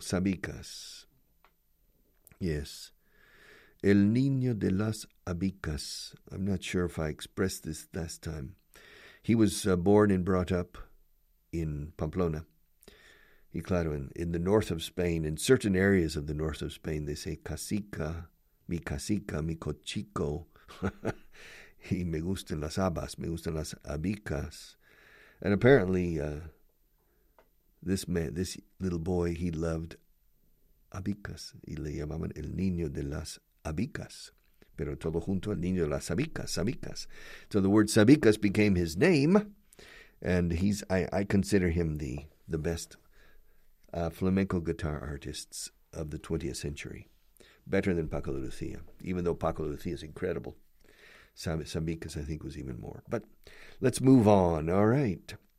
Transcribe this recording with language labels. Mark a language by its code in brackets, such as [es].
[es] Sabicas. [en] Yes. [es] El Niño de las Abicas. [en] I'm not sure if I expressed this last time. He was born and brought up in Pamplona. [es] Y claro, [en] in the north of Spain, in certain areas of the north of Spain, they say casica, [es] mi cochico. Y me gustan las abas, me gustan las abicas. [en] And apparently, this little boy, he loved abicas. [es] Y le llamaban el niño de las abicas. Pero todo junto, el niño de las abicas, sabicas. [en] So the word sabicas became his name, and I consider him the best flamenco guitar artists of the 20th century, better than Paco de Lucía, even though Paco de Lucía is incredible. Sabicas, I think, was even more. But let's move on. All right.